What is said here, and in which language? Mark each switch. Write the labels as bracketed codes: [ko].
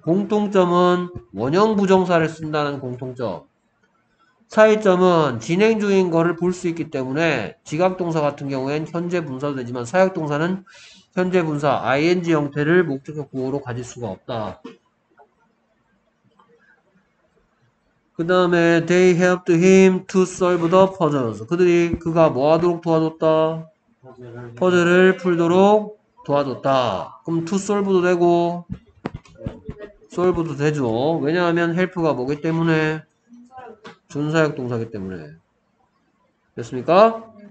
[ko] 공통점은 원형 부정사를 쓴다는 공통점. 차이점은 진행 중인 거를 볼 수 있기 때문에 지각동사 같은 경우엔 현재 분사도 되지만 사역동사는 현재 분사 ing 형태를 목적격 구호로 가질 수가 없다. [en] 그 다음에 they helped him to solve the puzzles. [ko] 그들이 그가 뭐하도록 도와줬다? 퍼즐을 풀도록 도와줬다. 그럼 to solve도 되고 solve도 되죠. 왜냐하면 help가 뭐기 때문에 전사역 동사기 때문에 됐습니까?